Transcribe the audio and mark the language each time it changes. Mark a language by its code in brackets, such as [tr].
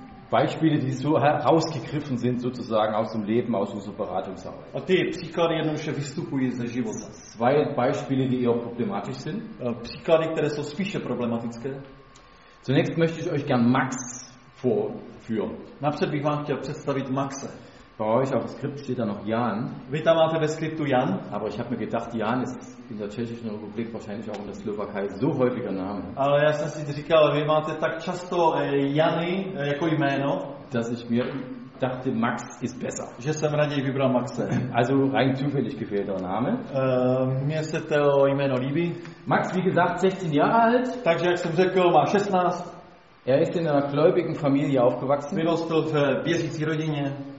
[de] Beispiele, die so herausgegriffen sind sozusagen aus dem Leben, aus unserer Beratungsarbeit. [cs] A ty příklady jednoduše vystupují ze života. [de] Zwei Beispiele, die eher problematisch sind. [cs] Příklady, které jsou spíše problematické. [de] Zunächst möchte ich euch gern Max vorführen. [cs] Napřed bych vám chtěl představit Maxe. [de] Bei euch auf dem Skript steht da noch Jan. [cs] Vy tam máte ve skriptu Jan. [de] Aber ich habe mir gedacht, Jan ist in der Tschechischen Republik wahrscheinlich auch in der Slowakei so häufiger Name. [cs] Ale já jsem si říkal, vy máte tak často Jany jako jméno. [de] Dass ich mir dachte, Max ist besser. [cs] Že jsem raději vybral Maxe. [de] Also rein zufällig gewählter Name. [cs] Mně se to jméno líbí. [de] Max, wie gesagt, 16 Jahre alt. [cs] Takže jak jsem řekl, má 16. [de] Er ist in einer gläubigen Familie aufgewachsen. [cs] Vyrostl v věřící rodině.